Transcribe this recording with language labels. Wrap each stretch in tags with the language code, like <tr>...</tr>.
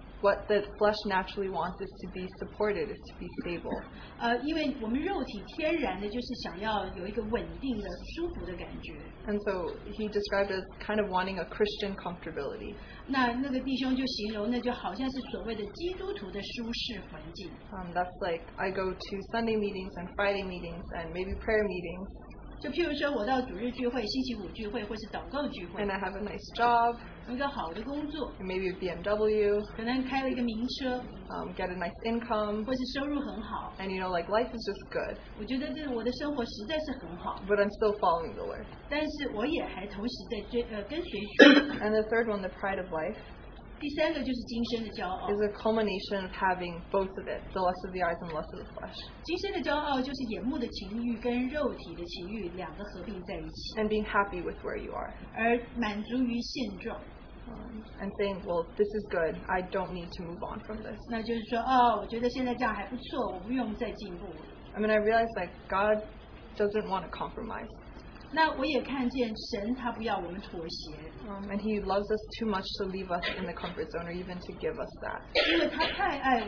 <en>what the flesh naturally wants is to be supported, is to be stable.</en> <zh>因为我们肉体天然的就是想要有一个稳定的、舒服的感觉。And</zh> <en>so he described as kind of wanting a Christian comfortability.</en> <zh>那个弟兄就形容那就好像是所谓的基督徒的舒适环境。</zh> <en>That's like I go to Sunday meetings and Friday meetings and maybe prayer meetings.</en> <zh>就譬如说我到主日聚会、星期五聚会或是祷告聚会。And</zh> <en>I have a nice job.</en> <zh>一个好的工作,</zh> <en>maybe a BMW,</en> <zh>可能开了一个名车,</zh> <en>get a nice income,</en> <zh>或是收入很好,</zh> <en>and you know, like life is just good.</en> <zh>我觉得这我的生活实在是很好,</zh> <en>but I'm still following the Lord.</en> <zh>但是我也还同时在追,跟随主,</zh> <en>and the third one, the pride of life,</en> <zh>第三个就是今生的骄傲,</zh> <en>is a culmination of having both of it, the lust of the eyes and the lust of the flesh.</en> <zh>今生的骄傲就是眼目的情欲跟肉体的情欲两个合并在一起,</zh> <en>and being happy with where you are.</en> <zh>而满足于现状,</zh> <en>and saying, well, this is good. I don't need to move on from this.</en> <zh>那就是说，哦，我觉得现在这样还不错，我不用再进步。I</zh> <en>mean, I realize like God doesn't want to compromise.</en> <zh>那我也看见神，他不要我们妥协。</zh> <en>And he loves us too much to leave us in the comfort zone or even to give us that.</en>